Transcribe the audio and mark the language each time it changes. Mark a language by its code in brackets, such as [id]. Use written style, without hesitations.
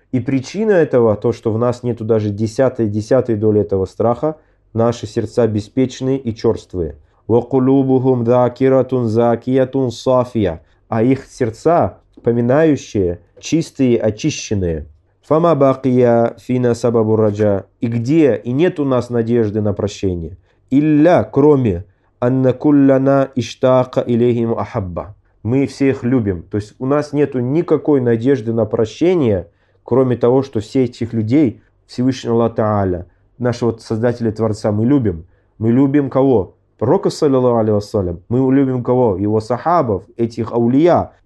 [ru] И причина этого, то, что в нас нету даже десятой доли этого страха, наши сердца беспечные и черствые. [ar] وَقُلُوبُهُمْ ذَاكِرَةٌ ذَاكِيَةٌ صَافِيَةٌ. [ru] А их сердца, поминающие, чистые, очищенные. [ar] فَمَا بَقِيَ فِينَا سَبَبُ الرَّجَى. [ru] И где, и нет у нас надежды на прощение. [ar] إِلَّا [ru] кроме [ar] أَنَّ كُلَّنَا إِشْتَاقَ إِلَيْهِمْ أَحَبَّ. [ru] Мы всех любим. То есть у нас нету никакой надежды на прощение, кроме того, что все этих людей, Всевышний Аллах Та'аля, нашего Создателя и Творца, мы любим. Мы любим кого? Пророка, саллиллаху алейхи вассалям. Мы любим кого? Его сахабов, этих аулия.